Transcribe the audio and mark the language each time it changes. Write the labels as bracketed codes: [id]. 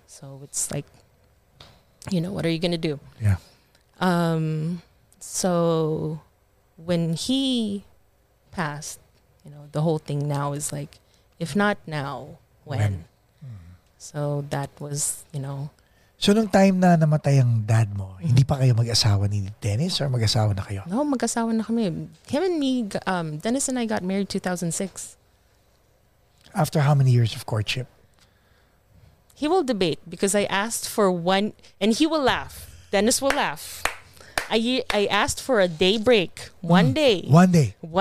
[en] So it's like, you know, what are you going to do? Yeah. So when he passed, you know, the whole thing now is like, if not now, when? So that was, you know. [tl] So, nung time na namatay ang dad mo, mm-hmm. hindi pa kayo mag-asawa ni Dennis or mag-asawa na kayo? No, mag-asawa na kami. [en] Him and me, Dennis and I got married 2006. After how many years of courtship? He will debate because I asked for one, and he will laugh. Dennis will laugh. I asked for a day break. One day.